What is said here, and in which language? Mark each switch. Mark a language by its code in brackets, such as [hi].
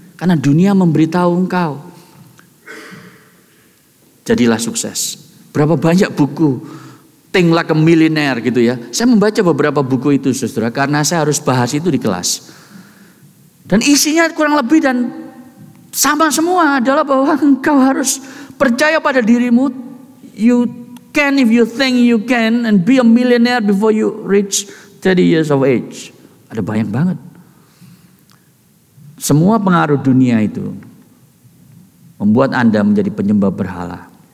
[id] Karena dunia memberitahu engkau, jadilah sukses. Berapa banyak buku Think Like a Millionaire gitu ya. Saya membaca beberapa buku itu, saudara, karena saya harus bahas itu di kelas. Dan isinya kurang lebih dan sama semua adalah bahwa engkau harus percaya pada dirimu. [en] You can if you think you can and be a millionaire before you reach 30 years of age. [id] Ada banyak banget. Semua pengaruh dunia itu membuat Anda menjadi penyembah berhala.